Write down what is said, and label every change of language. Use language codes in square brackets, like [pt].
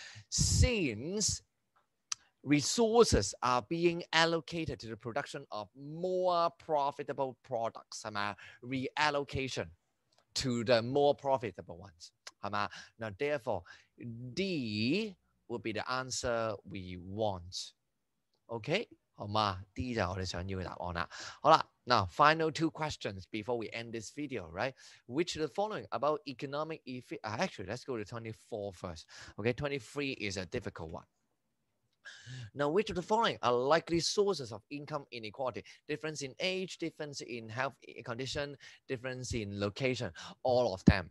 [en] Since resources are being allocated to the production of more profitable products, reallocation to the more profitable ones. Now, therefore, D would be the answer we want. Okay? [yue] 好嘛 ？D 就係我哋想要嘅答案啦。好啦 [en] ，now final two questions before we end this video, right? Which the following about economic actually, let's go to 24 first. Okay, 23 is a difficult one. Now, which of the following are likely sources of income inequality? Difference in age, difference in health condition, difference in location. All of them.